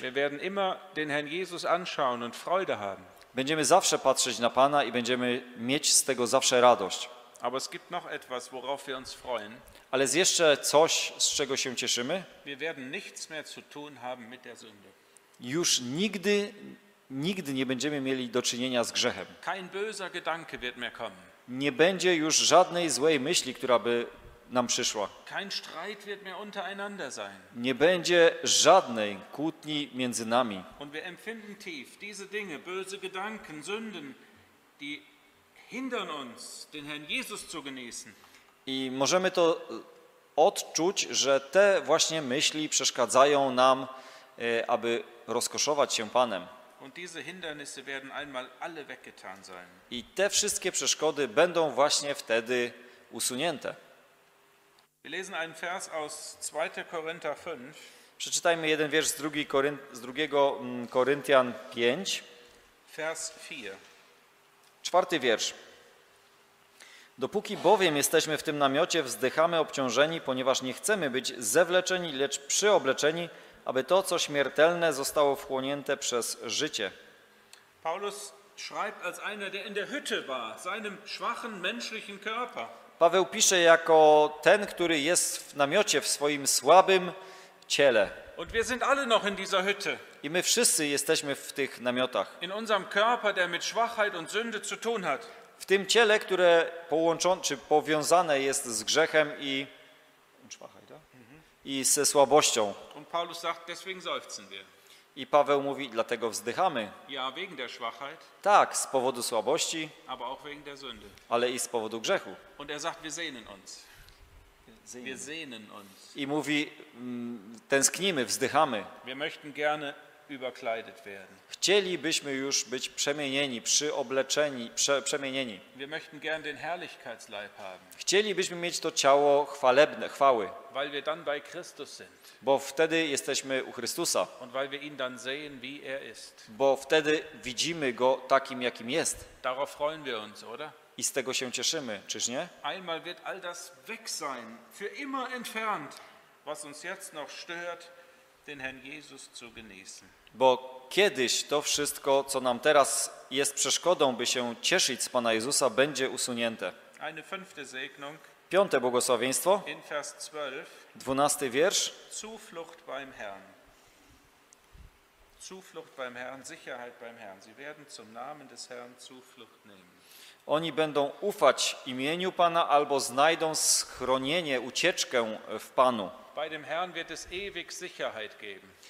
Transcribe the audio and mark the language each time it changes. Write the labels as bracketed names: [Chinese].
[German] Wir werden immer den Herrn Jesus anschauen und Freude haben. [Polish] Będziemy zawsze patrzeć na Pana i będziemy mieć z tego zawsze radość. [German] Aber es gibt noch etwas, worauf wir uns freuen. [Polish] Ale jest jeszcze coś, z czego się cieszymy. [German] Wir werden nichts mehr zu tun haben mit der Sünde. [Polish] Już nigdy, nigdy nie będziemy mieli do czynienia z grzechem. [German] Kein böser Gedanke wird mehr kommen. [Polish] Nie będzie już żadnej złej myśli, która by nam przyszła. [German] Kein Streit wird mehr untereinander sein. [Polish] Nie będzie żadnej kłótni między nami. [German] Und wir empfinden tief diese Dinge, böse Gedanken, Sünden, die hindern uns, den Herrn Jesus zu genießen. [Polish] I możemy to odczuć, że te właśnie myśli przeszkadzają nam, aby rozkoszować się Panem. [German] Und diese Hindernisse werden einmal alle weggetan sein. [Polish] I te wszystkie przeszkody będą właśnie wtedy usunięte. [German] Wir lesen einen Vers aus 2. Korinther 5. [Polish] Przeczytajmy jeden wiersz z 2 Koryntian 5. [German] Vers 4. [Polish] Czwarty wiersz. Dopóki bowiem jesteśmy w tym namiocie, wzdychamy obciążeni, ponieważ nie chcemy być zewleczeni, lecz przyobleczeni, aby to, co śmiertelne, zostało wchłonięte przez życie. [German] Paulus schreibt als einer, der in der Hütte war, seinem schwachen menschlichen Körper. [Polish] Paweł pisze jako ten, który jest w namiocie, w swoim słabym ciele. [German] Und wir sind alle noch in dieser Hütte. [Polish] I my wszyscy jesteśmy w tych namiotach. [German] In unserem Körper, der mit Schwachheit und Sünde zu tun hat. [Polish] W tym ciele, które połączone czy powiązane jest z grzechem i [German] Schwachheit, ja? Mhm. [Polish] I ze słabością. [German] Und Paulus sagt, deswegen seufzen wir. [Polish] I Paweł mówi, dlatego wzdychamy. [German] Ja, wegen der Schwachheit. [Polish] Tak, z powodu słabości. [German] Aber auch wegen der Sünde. [Polish] Ale i z powodu grzechu. [German] Und er sagt, wir sehnen uns. Wir sehnen uns. [Polish] I mówi, tęsknimy, wzdychamy. [German] Wir möchten gerne überkleidet werden. [Polish] Chcielibyśmy już być przemienieni, przyobleczeni, przemienieni. [German] Wir möchten gerne den Herrlichkeitsleib haben. [Polish] Chcielibyśmy mieć to ciało chwalebne, chwały. [German] Weil wir dann bei Christus sind. [Polish] Bo wtedy jesteśmy u Chrystusa. [German] Und weil wir ihn dann sehen, wie er ist. [Polish] Bo wtedy widzimy go takim, jakim jest. [German] Darauf freuen wir uns, oder? [Polish] I z tego się cieszymy, czyż nie? [German] Einmal wird all das weg sein, für immer entfernt, was uns jetzt noch stört, den Herrn Jesus zu genießen. [Polish] Bo kiedyś to wszystko, co nam teraz jest przeszkodą, by się cieszyć z Pana Jezusa, będzie usunięte. [German] Eine fünfte Segnung. [Polish] Piąte błogosławieństwo. [German] In Vers 12. [Polish] Dwunasty wiersz. [German] Zuflucht beim Herrn. Zuflucht beim Herrn, Sicherheit beim Herrn. Sie werden zum Namen des Herrn Zuflucht nehmen. [Polish] Oni będą ufać imieniu Pana albo znajdą schronienie, ucieczkę w Panu. [German] Bei dem Herrn wird es ewig Sicherheit geben.